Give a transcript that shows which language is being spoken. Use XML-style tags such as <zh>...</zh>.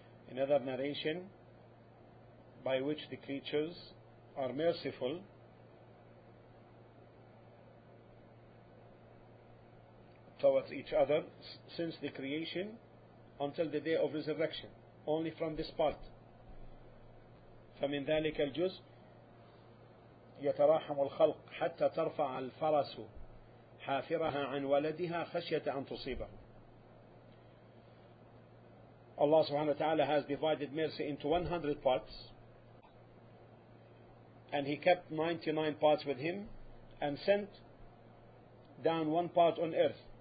<en>Another narration by which the creatures are merciful. Towards each other since the creation until the day of resurrection, only from this part.</en> <ar>فمن ذلك الجزء يتراحم الخلق حتى ترفع الفرس حافرها عن ولدها خشية أن تصيبه.</ar> <en>Allah subhanahu wa ta'ala has divided mercy into 100 parts, and He kept 99 parts with Him and sent down one part on earth.</en>